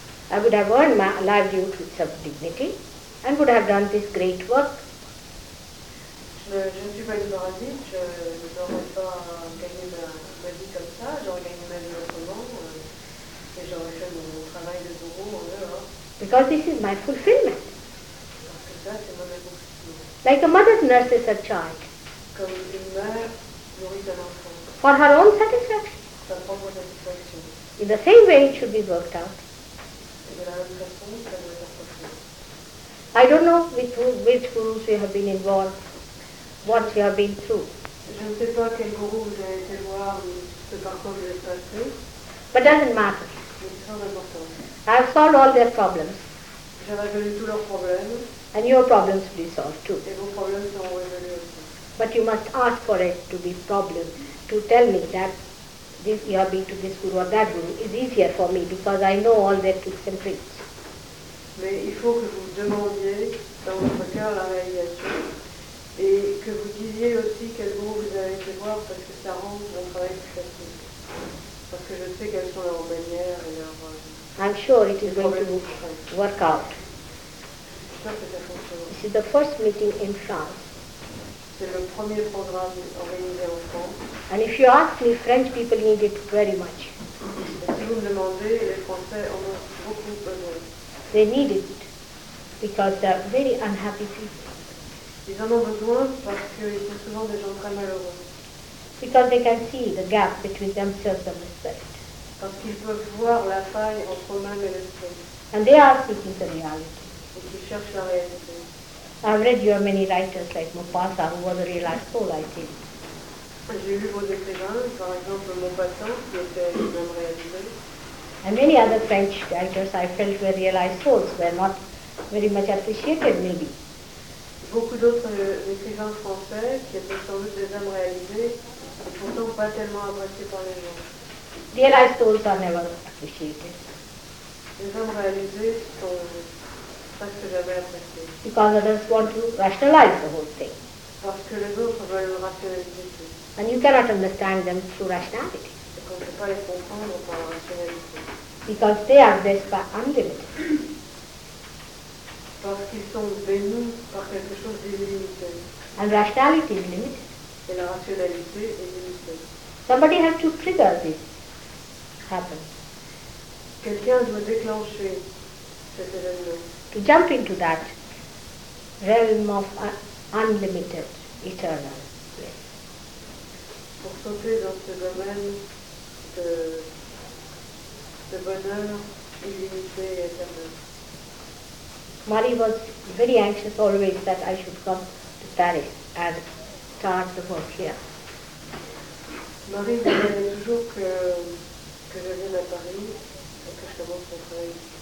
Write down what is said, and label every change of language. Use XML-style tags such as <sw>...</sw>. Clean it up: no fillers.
<en>I would have earned my livelihood with some dignity and would have done this great work.</en> <fr>Je ne suis pas une parasite, je n'aurais pas gagné ma vie comme ça, j'aurais gagné ma vie autrement, et j'aurais fait mon travail de bourreau en dehors.</fr> <en>Because this is my fulfillment.</en> <fr>Parce que ça, c'est mon accomplissement.</fr> <en>Like a mother nurses a child.</en> <fr>Comme une mère nourrit un enfant.</fr> <en>For her own satisfaction.</en> <fr>Sa propre satisfaction.</fr> <en>In the same way, it should be worked out.</en> <fr>Et de la même façon, ça doit être possible.</fr> <en>I don't know with which gurus you have been involved. What you have been through.</en> <fr>Je ne sais pas quel guru vous avez été voir ou ce parcours vous avez passé.</fr> <en>But doesn't matter.</en> <fr>C'est très important.</fr> <en>I have solved all their problems.</en> <fr>J'ai résolu tous leurs problèmes.</fr> <en>And your problems will be solved too.</en> <fr>Et vos problèmes sont résolus aussi.</fr> <en>But you must ask for it to be problem, to tell me that this you have been to this guru or that guru is easier for me because I know all their tricks and tricks.</en> <fr>Mais il faut que vous demandiez dans votre cœur la réalisation. Et que vous disiez aussi quels mots vous avez été voir parce que ça rend mon travail plus facile. Parce que je sais quelles sont leurs manières et leurs</fr> <en>I'm sure it is going to work out. This is the first meeting in France.</en> <fr>C'est le premier programme organisé en France.</fr> <en>And if you ask me, French people need it very much.</en> <fr>Et si vous me demandez, les Français en ont beaucoup besoin.</fr> <en>They need it because they are very unhappy people.</en> <fr>Ils en ont besoin parce qu'ils sont souvent des gens très malheureux.</fr> <en>Because they can see the gap between themselves and the spirit.</en> <fr>Parce qu'ils peuvent voir la faille entre eux-mêmes et l'esprit.</fr> <en>And they are seeking the reality.</en> <fr>Et qu'ils cherchent la réalité.</fr> <en>I've read your many writers like Mopasa, who was a realized soul, I think.</en> <fr>J'ai lu vos écrivains, par exemple Mopasa, qui était lui-même réalisé.</fr> <en>And many other French writers I felt were realized souls, were not very much appreciated, maybe.</en> <fr>Beaucoup d'autres écrivains français qui étaient sans doute des hommes réalisés et pourtant pas tellement appréciés par les gens.</fr> <en>Realized souls are never appreciated.</en> <fr>Les hommes réalisés sont presque jamais appréciés.</fr> <en>Because others want to rationalize the whole thing.</en> <fr>Parce que les autres veulent rationaliser tout.</fr> <en>And you cannot understand them through rationality.</en> <fr>Et qu'on ne peut pas les comprendre par la rationalité.</fr> <en>Because they are blessed by unlimited.</en> <fr>Parce qu'ils sont bénis par quelque chose d'illimité.</fr> <en>And rationality is limited.</en> <fr>Et la rationalité est limitée.</fr> <en>Somebody has to trigger this happen.</en> <fr>Quelqu'un doit déclencher cet événement.</fr> <en>To jump into that realm of unlimited, eternal.</en> <fr>Pour sauter dans ce domaine de bonheur illimité et éternel.</fr> <en>Mari was very anxious always that I should come to Paris and start the work here.</en> <fr>Mari voulait toujours que je vienne à Paris et que je commence mon travail.</fr>